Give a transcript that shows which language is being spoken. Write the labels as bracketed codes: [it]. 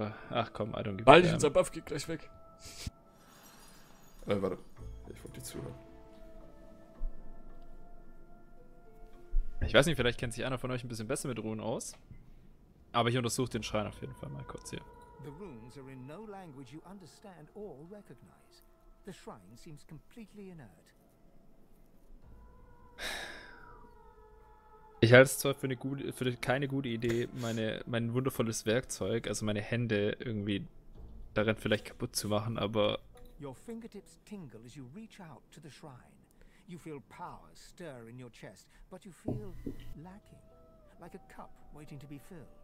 [de] Ach komm, [en] I don't give a damn. [de] Bald unser Buff geht gleich weg. Warte. Ich wollte dir zuhören. Ich weiß nicht, vielleicht kennt sich einer von euch ein bisschen besser mit Runen aus. Aber ich untersuche den Schrein auf jeden Fall mal kurz hier. [en] The runes are in no language you understand or recognize. The shrine seems completely inert. [de] Ich halte es zwar für keine gute Idee, mein wundervolles Werkzeug, also meine Hände irgendwie darin vielleicht kaputt zu machen, aber. [en] Your fingertips tingle as you reach out to the shrine. You feel power stir in your chest, but you feel lacking, like a cup waiting to be filled.